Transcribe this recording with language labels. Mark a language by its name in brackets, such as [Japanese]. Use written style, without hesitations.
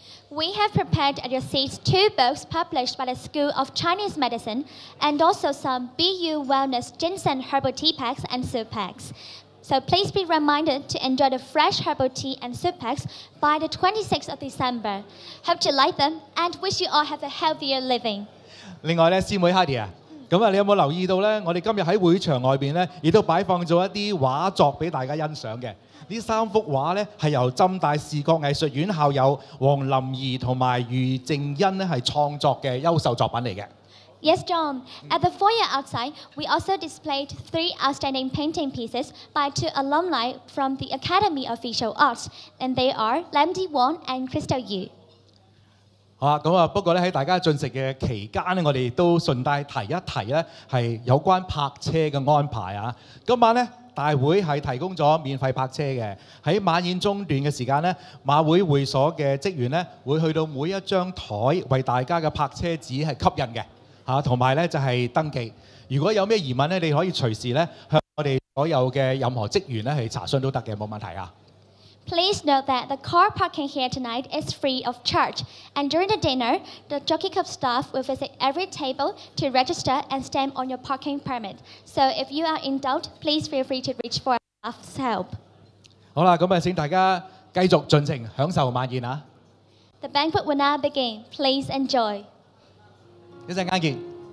[English] We have prepared at your seats two books published by the School of Chinese Medicine, and also some BU Wellness Ginseng Herbal Tea Packs and Soup Packs. So please be reminded to enjoy the fresh herbal tea and soup packs by the 26th of December. Hope you like them and wish you all have a healthier living. [Cantonese] 另外咧，師妹 Hardy 啊，咁啊，你有冇留意到咧？我哋今日喺會場外邊咧，亦都擺放咗一啲畫作俾大家欣賞嘅。呢三幅畫咧係由浸大視覺藝術院校友黃林怡同埋余靜欣咧係創作嘅優秀作品嚟嘅。 [English] Yes, John. At the foyer outside, we also displayed three outstanding painting pieces by two alumni from the Academy of Visual Arts, and they are Lam Di Wong and Crystal Yu. [Cantonese] 不過在大家進食的期間，我們都順帶提一提是有關泊車的安排。今晚大會是提供了免費泊車的，在晚宴中段的時間，馬會會所的職員會去到每一張台為大家的泊車紙是吸引的，同埋咧就係登記。如果有咩疑問咧，你可以隨時咧向我哋所有嘅任何職員咧去查詢都得嘅，冇問題啊。 [English] Please note that the car parking here tonight is free of charge, and during the dinner, the Jockey Club staff will visit every table to register and stamp on your parking permit. So if you are in doubt, please feel free to reach for staff's help. [Cantonese] 好啦，咁啊，請大家繼續盡情享受晚宴啊。 [English] The banquet will now begin. Please enjoy. [Cantonese] 一陣間見。